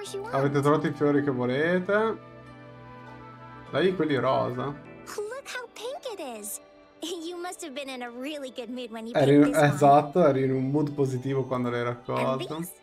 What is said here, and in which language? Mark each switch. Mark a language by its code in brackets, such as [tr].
[it] Avete trovato i fiori che volete? Dai, quelli rosa. [en] Look how pink it is. You must have been in a really good mood when you [it] esatto, eri in un mood positivo quando l'hai raccolto.